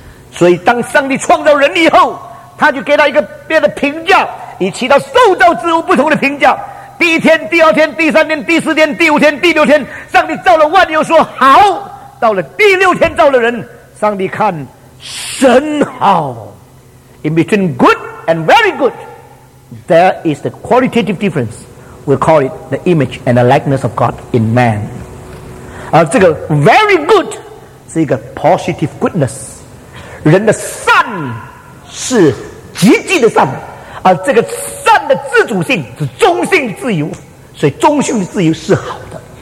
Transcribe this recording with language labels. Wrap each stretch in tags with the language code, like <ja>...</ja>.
<zh>所以当上帝创造人以后，他就给他一个别的评价，以其他受造之物不同的评价。第一天、第二天、第三天、第四天、第五天、第六天，上帝造了万有说好，到了第六天造了人，上帝看神好。</zh> <en>In between good and very good there is the qualitative difference， we call it the image and the likeness of God in man。</en> <zh>而这个 very good 是一个 positive goodness， 人的善是积极的善，而这个善的自主性是中性自由，所以中性的自由是好的。</zh>